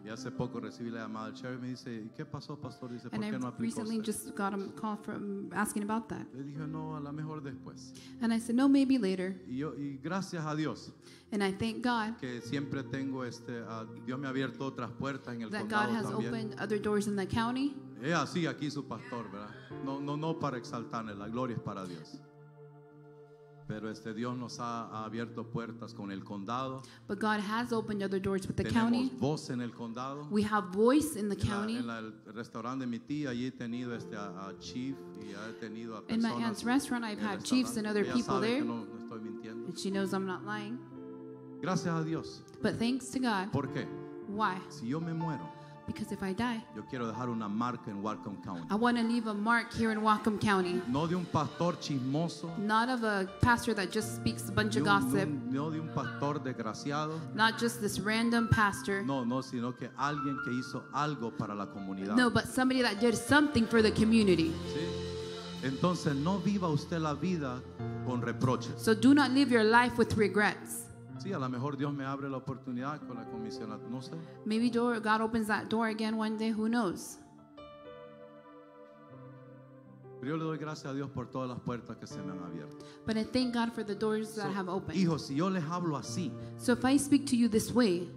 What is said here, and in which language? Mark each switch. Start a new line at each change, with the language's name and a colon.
Spanish: Y hace poco recibí la llamada del sheriff y me dice, ¿qué pasó, pastor? Dice,
English: and
Spanish: ¿por
English: I
Spanish: qué no aplicó
English: recently
Spanish: usted?
English: Just got a call from asking about that.
Spanish: Le dije, no, a la mejor después.
English: And I said, no, maybe later.
Spanish: Y gracias a Dios.
English: And I thank God
Spanish: que siempre tengo Dios me ha abierto otras puertas en el
English: that God has
Spanish: también.
English: Opened other doors in the county.
Spanish: Es así aquí su pastor, ¿verdad? No, no, no para exaltarle, la gloria es para Dios. Pero este Dios nos ha abierto puertas con el condado.
English: But God has opened other doors with the
Spanish: Tenemos
English: county.
Spanish: Tenemos voz en el condado.
English: We have voice in the county.
Spanish: En el restaurante de mi tía, allí he tenido este a chief y ha tenido a personas.
English: In my aunt's restaurant, I've had chiefs and other people there.
Spanish: Ella sabe que no estoy mintiendo.
English: And she knows I'm not lying.
Spanish: Gracias a Dios.
English: But thanks to God.
Spanish: ¿Por qué?
English: Why?
Spanish: Si yo me muero.
English: Because if I die,
Spanish: yo quiero dejar una marca en Whatcom County.
English: I want to leave a mark here in Whatcom County.
Spanish: No de un pastor chismoso.
English: Not of a pastor that just speaks a bunch of gossip.
Spanish: No de un pastor desgraciado.
English: Not just this random pastor.
Spanish: No, sino que alguien que hizo algo para la comunidad.
English: No, but somebody that did something for the community.
Spanish: Sí. Entonces no viva usted la vida con reproches.
English: So do not live your life with regrets.
Spanish: Sí, a lo mejor Dios me abre la oportunidad con la comisión, no sé.
English: Maybe God opens that door again one day, who knows.
Spanish: Pero yo le doy gracias a Dios por todas las puertas que se me han abierto.
English: But I thank God for the doors that have opened.
Spanish: Hijo, si yo les hablo así,
English: so if I speak to you this way,